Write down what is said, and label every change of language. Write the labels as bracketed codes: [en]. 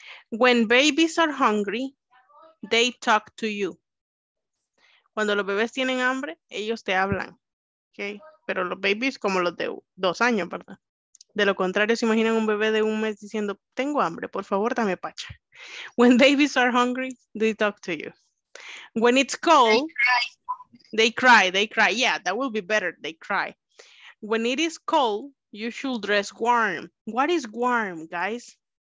[en] When babies are hungry, they talk to you. [es] Cuando los bebés tienen hambre, ellos te hablan, okay? Pero los babies como los de 2 años, ¿verdad? De lo contrario, se imaginan un bebé de 1 mes diciendo, tengo hambre, por favor, dame pacha. [en] When babies are hungry, they talk to you. When it's cold, they cry. Yeah, that will be better, they cry. When it is cold, you should dress warm. What is warm, guys?